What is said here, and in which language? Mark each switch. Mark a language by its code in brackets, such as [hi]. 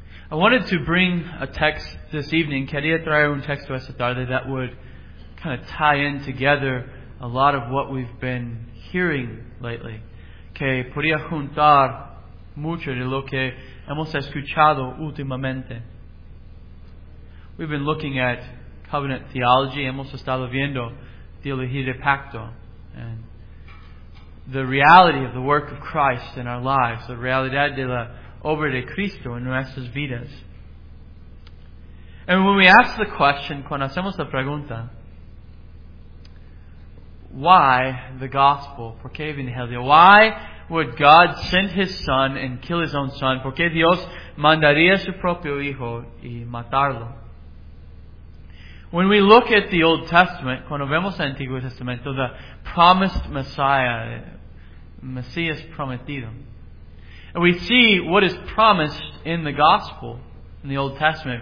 [en] I wanted to bring a text this evening. Quería traer un texto esta tarde that would kind of tie in together a lot of what we've been hearing lately. [es] Que podría juntar mucho de lo que hemos escuchado últimamente. [en] We've been looking at covenant theology. Hemos estado viendo teología de pacto and the reality of the work of Christ in our lives, the realidad de la obra de Cristo en nuestras vidas. And when we ask the question, cuando hacemos la pregunta, why the gospel? ¿Por qué Evangelio? Why would God send His Son and kill His own Son? [es] ¿Por qué Dios mandaría su propio Hijo y matarlo? [en] When we look at the Old Testament, cuando vemos el Antiguo Testamento, the promised Messiah, Mesías prometido, and we see what is promised in the Gospel, in the Old Testament.